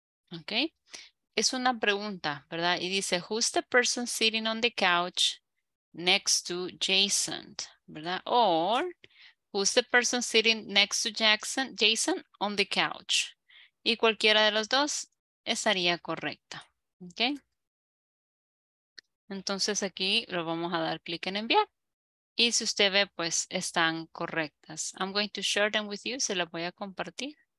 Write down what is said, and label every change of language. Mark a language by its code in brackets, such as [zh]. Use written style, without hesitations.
[en] Mm-hmm. Okay, [es] es una pregunta, ¿verdad? Y dice, [en] who's the person sitting on the couch next to Jason, ¿verdad? Or, who's the person sitting next to Jason on the couch? [es] Y cualquiera de los dos estaría correcta, ¿okay? Entonces aquí lo vamos a dar clic en enviar. Y si usted ve, pues están correctas. [en] I'm going to share them with you. [es] Se las voy a compartir.